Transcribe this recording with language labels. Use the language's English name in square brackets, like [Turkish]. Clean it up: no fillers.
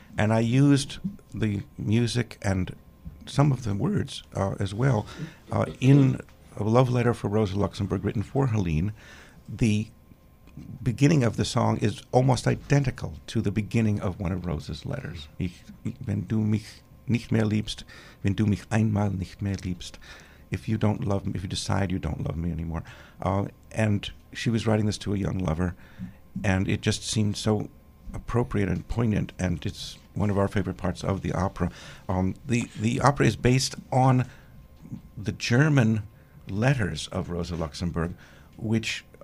[English] And I used the music and some of the words as well in a love letter for Rosa Luxemburg written for Helene. The beginning of the song is almost identical to the beginning of one of Rosa's letters. [German] Wenn du mich nicht mehr liebst, [English] wenn du mich einmal nicht mehr liebst, if you don't love me, if you decide you don't love me anymore. And she was writing this to a young lover, and it just seemed so appropriate and poignant, and it's one of our favorite parts of the opera. The opera is based on the German letters of Rosa Luxemburg, which